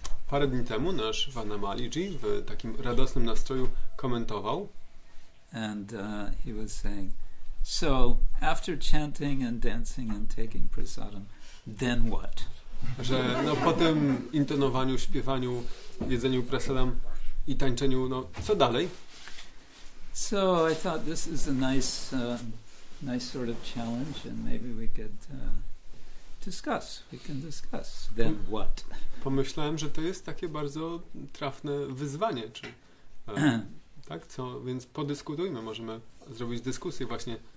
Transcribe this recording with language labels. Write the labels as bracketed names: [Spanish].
[Polish] Parę dni temu nasz Vanamaliji w takim radosnym nastroju komentował. [English] And he was saying, so after chanting and dancing and taking prasadam, then what? [Polish] Że no po tym intonowaniu, śpiewaniu, jedzeniu prasadam i tańczeniu, no co dalej? [English] So I thought this is a nice sort of challenge and maybe we could... discuss. We can discuss. Then what? [Polish] Pomyślałem, że to jest takie bardzo trafne wyzwanie, czy tak? Co? Więc podyskutujmy. Możemy zrobić dyskusję właśnie.